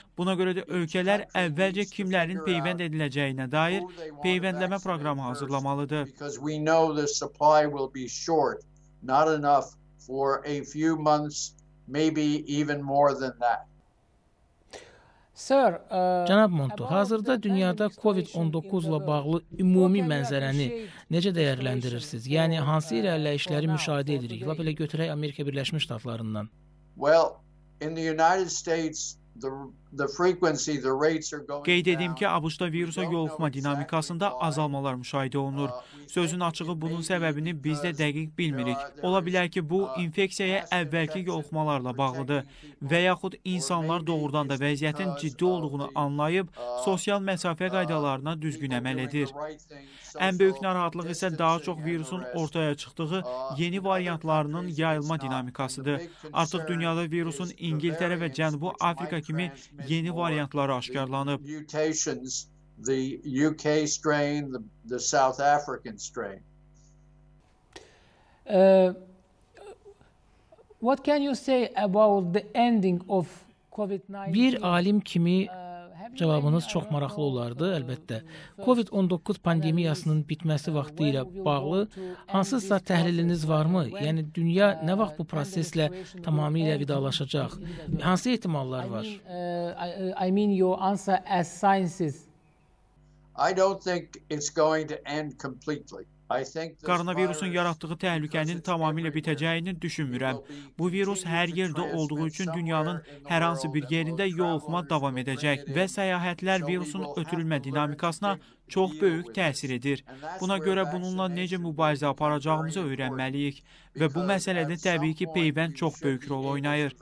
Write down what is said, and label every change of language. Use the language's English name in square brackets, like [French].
[Azerbaijani] Buna görə də ölkələr əvvəlcə kimlərin peyvənd ediləcəyinə dair peyvəndləmə proqramı hazırlamalıdır. [English] Sir, [Azerbaijani] Cənab Monto, hazırda dünyada COVID-19-la bağlı ümumi mənzərəni necə dəyərləndirirsiniz? Yəni hansı irəliləyişləri müşahidə edirik? Lap elə götürək Amerika Birləşmiş Ştatlarından. [English] Well, in the United States the frequency, the rates are going. [Azerbaijani] Qeyd edim ki, ABŞ-da virusa yoluxma dinamikasında azalmalar müşahidə olunur. Sözün açığı bunun səbəbini biz də dəqiq bilmirik. Ola bilər ki, bu infeksiyaya əvvəlki yoluxmalarla bağlıdır və yaxud insanlar doğrudan da vəziyyətin ciddi olduğunu anlayıb sosial məsafə qaydalarına düzgün əməl edir. Ən böyük narahatlıq isə daha çox virusun ortaya çıxdığı yeni variantlarının yayılma dinamikasıdır. Artıq dünyada virusun İngiltərə və Cənubi Afrika kimi yeni variantlar aşkarlanıb. [English] The UK strain, the South African strain. What can you say about the ending of COVID-19? [Azerbaijani] Bir alim kimi cavabınız çox maraqlı olardı, əlbəttə. COVID-19 pandemiyasının bitməsi vaxtı ilə bağlı hansısa təhliliniz varmı? Yəni, dünya nə vaxt bu proseslə tamamilə vidalaşacaq? Hansı ehtimallar var? [English] I mean your answer as sciences. I don't think it's going to end completely. [Azerbaijani] Koronavirusun yaratdığı təhlükənin tamamilə bitəcəyini düşünmürəm. Bu virus hər yerdə olduğu üçün dünyanın hər hansı bir yerində yoluxma davam edəcək və səyahətlər virusun ötürülmə dinamikasına çox böyük təsir edir. Buna görə bununla necə mübarizə aparacağımızı öyrənməliyik və bu məsələdə təbii ki, peyvənd çox böyük rol oynayır.